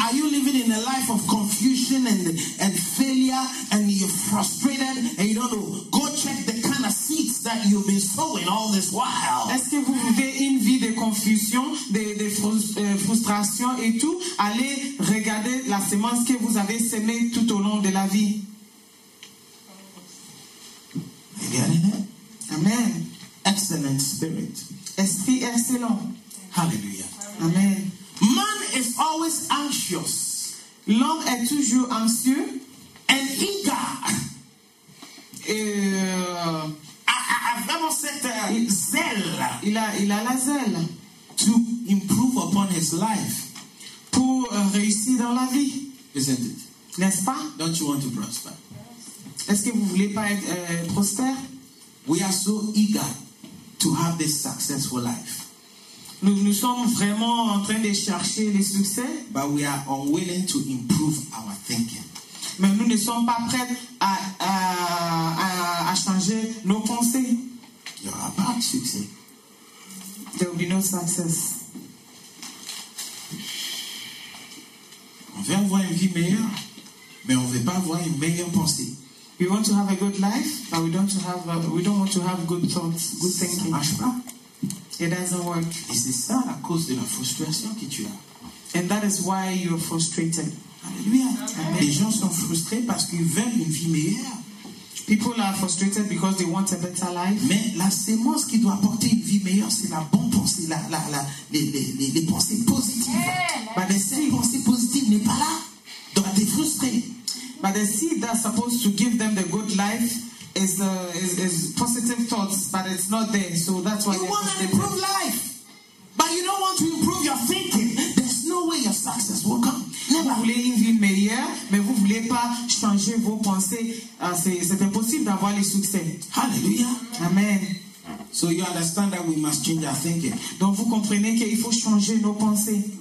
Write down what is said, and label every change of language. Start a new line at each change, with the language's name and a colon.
English: Are you living in a life of confusion and failure and you're frustrated and you don't know? Go check the kind of seeds that you've been sowing all this while.
French: Est-ce que vous vivez une vie de confusion, de frustration et tout? Allez regarder la semence que vous avez semée tout au long de la vie. Regardez. Amen.
English: Excellent spirit.
French: Esprit excellent.
English: Hallelujah. Amen. Man is always anxious.
French: L'homme est toujours anxieux.
English: And eager.
French: Il a la zèle
English: to improve upon his life,
French: pour réussir dans la vie.
English: Isn't it?
French: N'est-ce pas?
English: Don't you want to prosper? Yes.
French: Est-ce que vous voulez pas être prospère?
English: We are so eager to have this successful life.
French: Nous sommes vraiment en train de chercher les succès.
English: But we are unwilling to improve our thinking.
French: Mais nous ne sommes pas prêts à changer nos pensées. Il n'y aura pas de succès.
English: There will be no success.
French: On veut avoir une vie meilleure, mais on veut pas avoir une meilleure pensée.
English: We want to have a good life, but we don't want to have good thoughts, good thinking.
French: Ça marche pas.
English: It doesn't work.
French: Et c'est ça la cause de la frustration que tu as.
English: And that is why you are frustrated. Alléluia. Amen.
French: Les gens sont frustrés parce qu'ils veulent une vie meilleure.
English: People are frustrated because they want a better life.
French: Mais la sémence qui doit apporter une vie meilleure, c'est la bonne pensée, les pensées positives.
English: Yeah, but the same
French: pensée positive n'est pas là. Donc t'es frustré.
English: But the seed that's supposed to give them the good life is positive thoughts, but it's not there. So that's why you want an improved life, but you don't want to improve your thinking. There's no way your success will come.
French: Vous voulez une vie meilleure, mais vous ne voulez pas changer vos pensées. C'est impossible d'avoir le succès. Alléluia. Amen.
English: So you understand that we must change our thinking.
French: Donc vous comprenez qu'il faut changer nos pensées.